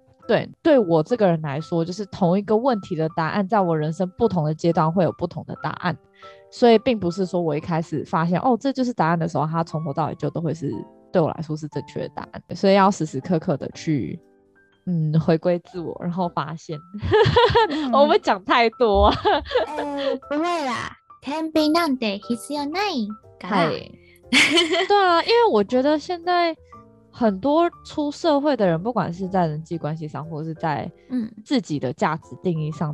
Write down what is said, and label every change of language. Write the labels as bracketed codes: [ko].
[zh] 对，对我这个人来说，就是同一个问题的答案在我人生不同的阶段会有不同的答案，所以并不是说我一开始发现哦这就是答案的时候，他从头到尾就都会是对我来说是正确的答案，所以要时时刻刻的去嗯，回归自我，然后发现，嗯、我们讲太多。不会啦， [ja] 天平なんて必要ないから。 [zh] 对啊，因为我觉得现在很多出社会的人，不管是在人际关系上，或是在自己的价值定义上，